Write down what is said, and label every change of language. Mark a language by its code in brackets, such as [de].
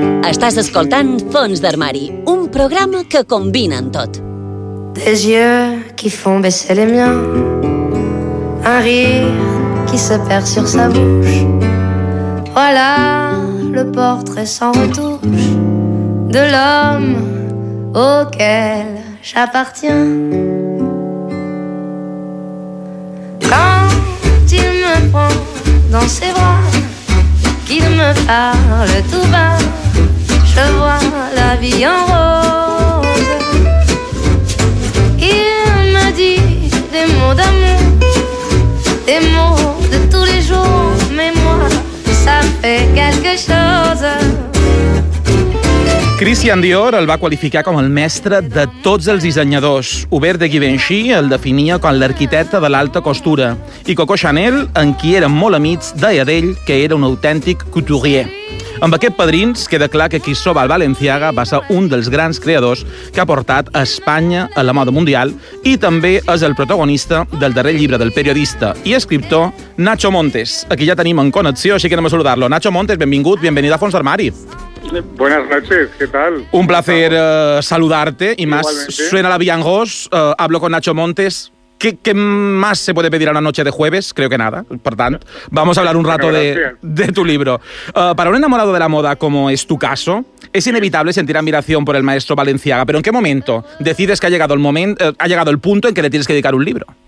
[ca] Estàs escoltant Fons d'Armari, un programa que combina en tot. [fr] Des yeux qui font baisser les miens, un rire qui se perd sur sa bouche. Voilà le portrait sans retouche de l'homme auquel j'appartiens. Quand il me prend dans ses bras, qu'il me parle tout bas, je vois la vie en rose. Il me dit des mots d'amour, des mots de tous les jours, mais moi, ça fait quelque chose. [ca] Christian Dior el va qualificar com el mestre de tots els dissenyadors. Hubert de Givenchy el definia com l'arquitecte de l'alta costura. I Coco Chanel, en qui eren molt amics, deia d'ell que era un autèntic couturier. Amb aquest padrins queda clar que Cristóbal Balenciaga va ser un dels grans creadors que ha portat a Espanya a la moda mundial i també és el protagonista del darrer llibre del periodista i escriptor Nacho Montes. Aquí ja tenim en connexió, així que anem a saludar-lo. Nacho Montes, benvingut, bienvenido a Fons d'Armari. [es] Buenas noches, ¿qué tal? Un placer saludarte y más. Igualmente. Suena la Villangos, hablo con Nacho Montes. ¿Qué más se puede pedir a una noche de jueves? Creo que nada, por tanto, vamos a hablar un rato de tu libro. Para un enamorado de la moda, como es tu caso, es inevitable sentir admiración por el maestro Balenciaga, pero ¿en qué momento decides que ha llegado el momento, ha llegado el punto en que le tienes que dedicar un libro?